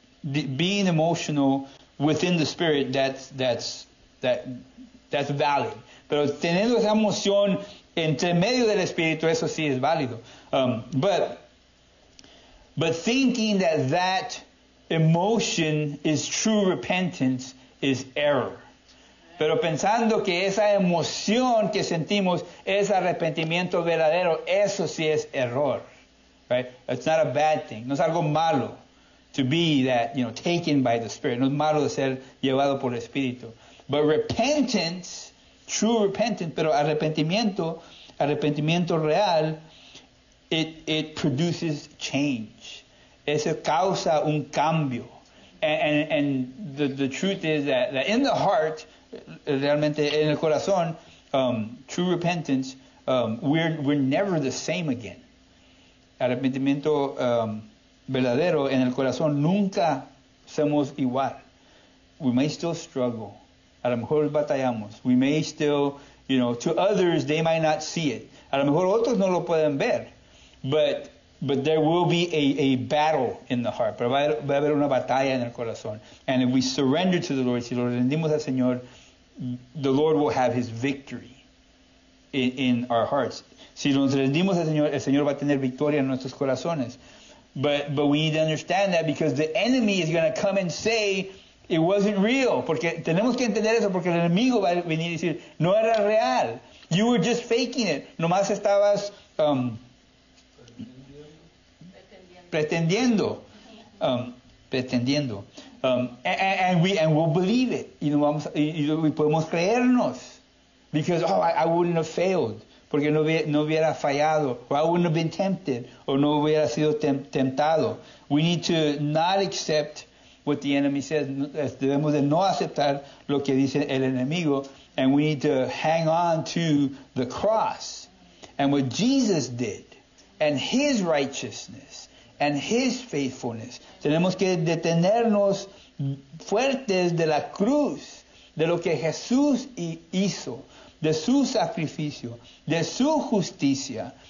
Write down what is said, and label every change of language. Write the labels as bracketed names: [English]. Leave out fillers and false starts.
[English] Being emotional within the Spirit, that's valid. [Spanish] Pero teniendo esa emoción entre medio del Espíritu, eso sí es válido. [English] But thinking that emotion is true repentance is error. [Spanish] Pero pensando que esa emoción que sentimos es arrepentimiento verdadero, eso sí es error. [English] Right? It's not a bad thing. [Spanish] No es algo malo [English] to be that, you know, taken by the Spirit. [Spanish] No es malo de ser llevado por el Espíritu. [English] But repentance, true repentance, [Spanish] pero arrepentimiento real, [English] it produces change. [Spanish] Eso causa un cambio. [English] And the truth is that in the heart, [Spanish] realmente en el corazón, [English] true repentance, we're never the same again. [Spanish] Arrepentimiento verdadero en el corazón, nunca somos igual. [English] We may still struggle. [Spanish] A lo mejor batallamos. [English] We may still, you know, to others, they might not see it. [Spanish] A lo mejor otros no lo pueden ver. [English] But there will be a battle in the heart. [Spanish] Pero va a haber una batalla en el corazón. [English] And if we surrender to the Lord, [Spanish] si lo rendimos al Señor, [English] the Lord will have His victory in our hearts. [Spanish] Si nos rendimos al Señor, el Señor va a tener victoria en nuestros corazones. [English] But we need to understand that, because the enemy is going to come and say, It wasn't real, [Spanish] porque tenemos que entender eso, porque el enemigo va a venir y decir, no era real. [English] You were just faking it. [Spanish] Nomás estabas pretendiendo. Pretendiendo. [English] And we'll believe it. [Spanish] Y, no vamos, y podemos creernos. [English] Because, oh, I wouldn't have failed. [Spanish] Porque no hubiera fallado. [English] Or I wouldn't have been tempted. [Spanish] O no hubiera sido tentado. [English] We need to not accept what the enemy says. [Spanish] Debemos de no aceptar lo que dice el enemigo. [English] And we need to hang on to the cross and what Jesus did and his righteousness and his faithfulness. [Spanish] Tenemos que detenernos fuertes de la cruz, de lo que Jesús hizo, de su sacrificio, de su justicia.